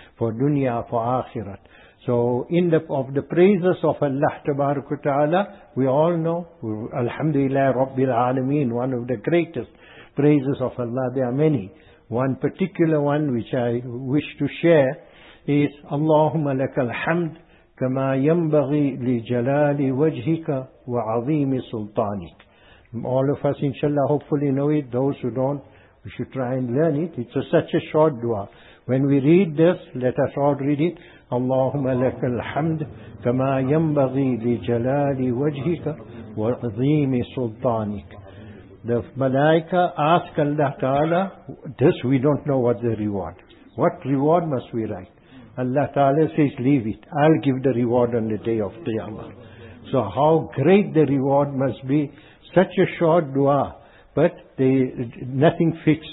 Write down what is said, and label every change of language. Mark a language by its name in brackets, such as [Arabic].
[English] For dunya, for akhirat. So, of the praises of Allah Tabarak wa Ta'ala, we all know, Alhamdulillah Rabbil Alameen, one of the greatest praises of Allah, there are many. One particular one which I wish to share is, Allahumma lakal hamd, [Arabic] كما ينبغي لجلال وجهك وعظيم سلطانك. [English] All of us, inshallah, hopefully know it. Those who don't, we should try and learn it. It's such a short dua. When we read this, let us all read it. [Arabic] اللهم لك الحمد كما ينبغي لجلال وجهك وعظيم سلطانك. [English] The malaika ask Allah Ta'ala, this we don't know what the reward. What reward must we write? Allah Ta'ala says, leave it. I'll give the reward on the day of Qiyamah. So how great the reward must be. Such a short dua, but nothing fixed.